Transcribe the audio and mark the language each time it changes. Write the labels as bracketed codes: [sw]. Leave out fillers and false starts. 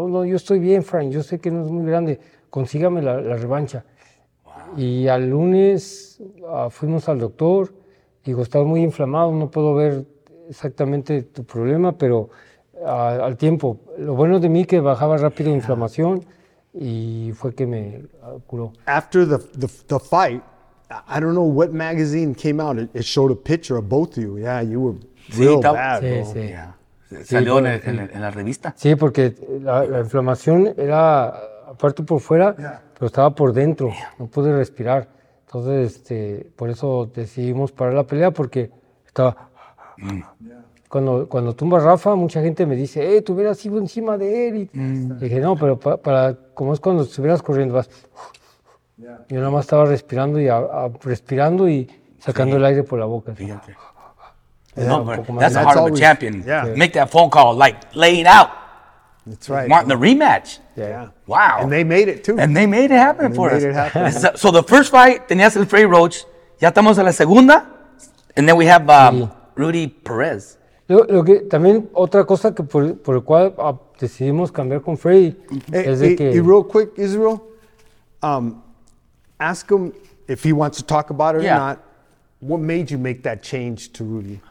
[es] Oh, no, yo estoy bien, Frank, yo sé que no es muy grande, consígame la revancha. [en] Wow. [es] Y al lunes fuimos al doctor, digo, estás muy inflamado, no puedo ver exactamente tu problema, pero al tiempo, lo bueno de mí que bajaba rápido inflamación, y fue que me curó. [en] After the fight, I don't know what magazine came out. It showed a picture of both of you. Yeah, you were real bad. [es] Sí, [en] bro. [es] Sí. [en] Yeah. [es] Salió en la revista. Sí, porque la inflamación era aparte por fuera, pero estaba por dentro. No pude respirar. Entonces, por eso decidimos parar la pelea porque estaba. Cuando tumba a Rafa, mucha gente me dice, tú hubieras ido encima de él. Y dije, no, pero para como es cuando estuvieras corriendo, vas. Yo nada más estaba respirando y respirando y sacando el aire por la boca. [en] That's the heart of a champion. Yeah. Make that phone call, like, laying out. That's right. Wanting the rematch. Yeah. Wow. And they made it, too. And they made it happen for us. Happen. So the first fight, [es] tenías el Frey Roach. Ya estamos en la segunda. [en] And then we have Rudy Perez. [es] También otra cosa que por el cual decidimos cambiar con Freddy es de que... [en] Y real quick, Israel, ask him, if he wants to talk about it or not. What made you make that change to Rudy?